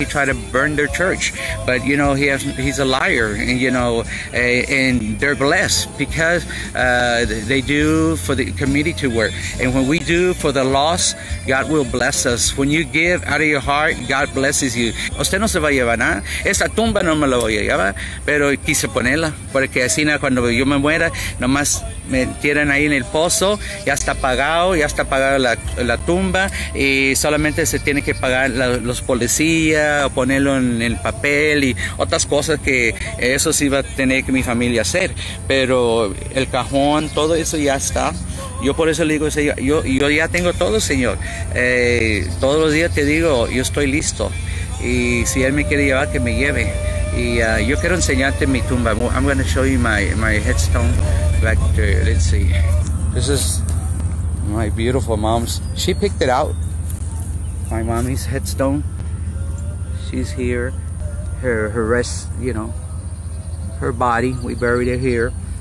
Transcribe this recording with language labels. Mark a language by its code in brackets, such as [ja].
[en] He tried to burn their church, but you know, he's a liar, and you know, and they're blessed because they do for the community to work. And when we do for the lost, God will bless us. When you give out of your heart, God blesses you. [es] Usted no se va a llevar nada. Esa tumba no me la voy a llevar, pero quise ponerla. Porque así cuando yo me muera, nomás me tiran ahí en el pozo. Ya está pagado la tumba. Y solamente se tiene que pagar los policías, o ponerlo en el papel y otras cosas que eso sí va a tener que mi familia hacer. Pero el cajón, todo eso ya está. Yo por eso le digo, Señor, yo ya tengo todo, Señor. Todos los días te digo, yo estoy listo. Y si Él me quiere llevar, que me lleve. Y yo quiero enseñarte mi tumba. [en] I'm going to show you my headstone back there. Let's see. This is my beautiful mom's. She picked it out. My mommy's headstone. She's here. Her rest, you know. Her body, we buried it here.